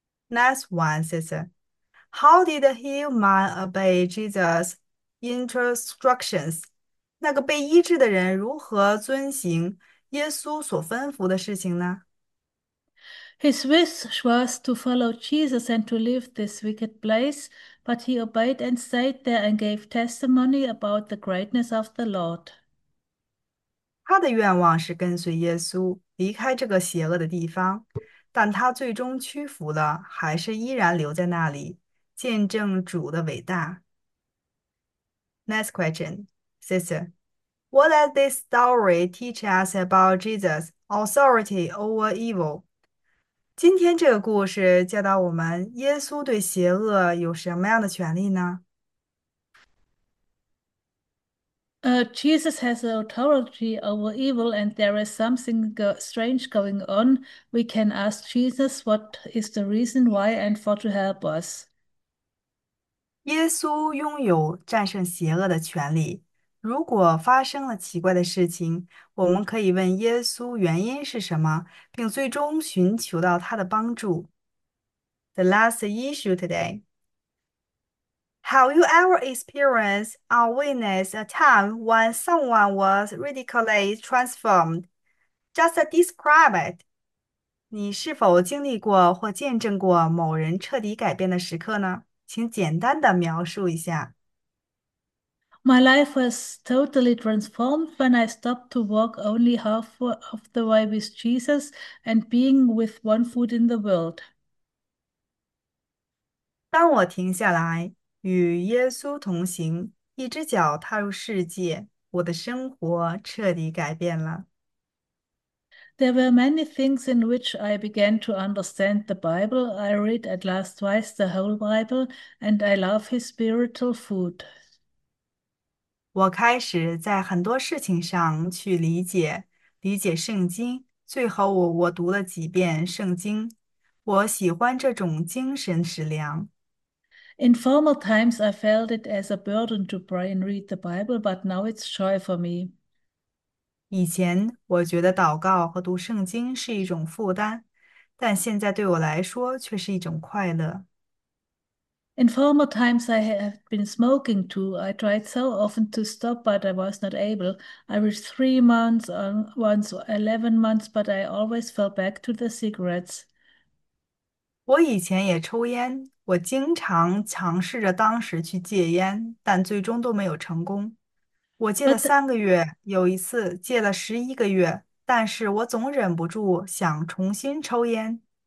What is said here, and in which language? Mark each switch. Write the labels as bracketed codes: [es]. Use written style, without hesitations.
[en] Next one, sister. How did the healed man obey Jesus' instructions? [zh] 那个被医治的人如何遵行耶稣所吩咐的事情呢？ [en] His wish was to follow Jesus and to leave this wicked place, but he obeyed and stayed there and gave testimony about the greatness of the Lord. [zh] 他的愿望是跟随耶稣离开这个邪恶的地方，但他最终屈服了，还是依然留在那里，见证主的伟大。 [en] Next question, sister, what does this story teach us about Jesus' authority over evil? [zh] 今天这个故事教导我们，耶稣对邪恶有什么样的权利呢？ [en] Jesus has authority over evil, and there is something strange going on. We can ask Jesus what is the reason why and for to help us. [zh] 耶稣拥有战胜邪恶的权利。如果发生了奇怪的事情，我们可以问耶稣原因是什么，并最终寻求到他的帮助。 [en] The last issue today. Have you ever experienced or witnessed a time when someone was radically transformed? Just describe it. [zh] 你是否经历过或见证过某人彻底改变的时刻呢？请简单的描述一下。 [en] My life was totally transformed when I stopped to walk only half of the way with Jesus and being with one foot in the world. [zh] 当我停下来，与耶稣同行，一只脚踏入世界，我的生活彻底改变了。 [en] There were many things in which I began to understand the Bible. I read at last twice the whole Bible, and I love his spiritual food. [zh] 我开始在很多事情上去理解圣经，最后我读了几遍圣经，我喜欢这种精神食粮。 [en] In former times, I felt it as a burden to pray and read the Bible, but now it's joy for me. [zh] 以前我觉得祷告和读圣经是一种负担，但现在对我来说却是一种快乐。 [en] In former times, I had been smoking too. I tried so often to stop, but I was not able. I reached 3 months, once 11 months, but I always fell back to the cigarettes. [zh] 我以前也抽烟，我经常尝试着当时去戒烟，但最终都没有成功。我戒了3个月，有一次戒了11个月，但是我总忍不住想重新抽烟。